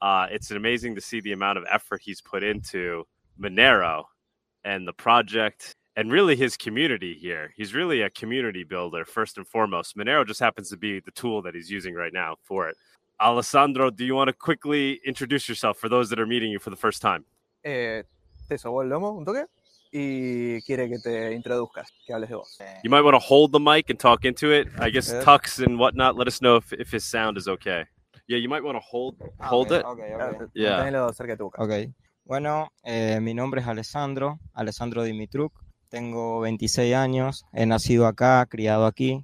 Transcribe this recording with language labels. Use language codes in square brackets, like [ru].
[en] It's amazing to see the amount of effort he's put into Monero and the project and really his community here. He's really a community builder, first and foremost. Monero just happens to be the tool that he's using right now for it. Alessandro, do you want to quickly introduce yourself for those that are meeting you for the first time? [es] Te sobo el lomo un toque y quiere que te introduzcas, que hables de vos. [en] You might want to hold the mic and talk into it. I guess Tux and whatnot, let us know if his sound is okay. Yeah, you might want to hold okay, it. Okay. Yeah. [es] Okay. Bueno, mi nombre es Alessandro Dimitruk. Tengo 26 años. He nacido acá, criado aquí.